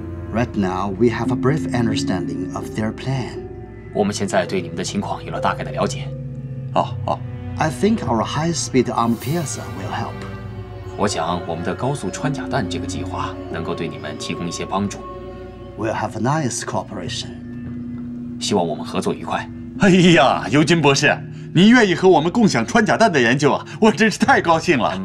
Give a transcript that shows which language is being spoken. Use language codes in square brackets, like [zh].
[en] Right now we have a brief understanding of their plan. [zh] 我们现在对你们的情况有了大概的了解。哦哦。 [en] I think our high-speed armor piercer will help. [zh] 我想我们的高速穿甲弹这个计划能够对你们提供一些帮助。We'll [en] have a nice cooperation. [zh] 希望我们合作愉快。哎呀，尤金博士，您愿意和我们共享穿甲弹的研究啊，我真是太高兴了。I'm